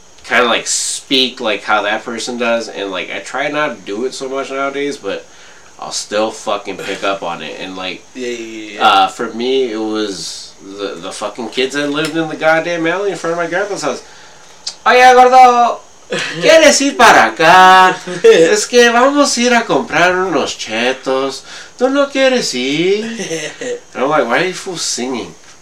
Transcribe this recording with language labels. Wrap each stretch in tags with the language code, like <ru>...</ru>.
<en>kind of like speak like how that person does, and like I try not to do it so much nowadays, but I'll still fucking pick up on it. And like for me, it was the fucking kids that lived in the goddamn alley in front of my grandpa's house.</en> <es>Oye, gordo, ¿quieres ir para acá? Es que vamos a ir a comprar unos chetos. ¿Tú no quieres ir?</es> <en>And I'm like, why are you fools singing?</en>